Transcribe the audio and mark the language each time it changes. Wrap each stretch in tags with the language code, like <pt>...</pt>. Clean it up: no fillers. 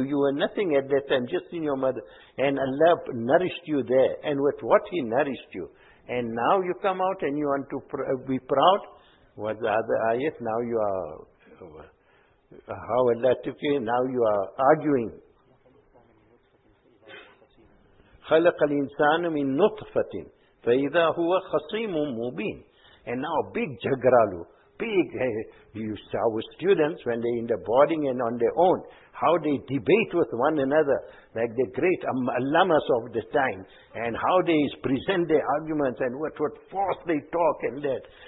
<en>You were nothing at that time, just in your mother. And Allah nourished you there. And with what he nourished you. And now you come out and you want to be proud. Was the other ayat? Now you are, how Allah took you, now you are arguing.</en> <ar>خلق الإنسان من نطفة فإذا هو خصيم مبين.</ar> <en>And now big jagralu, big, you saw students when they're in the boarding and on their own, how they debate with one another, like the great alamas of the time, and how they present their arguments and what force they talk and that.</en>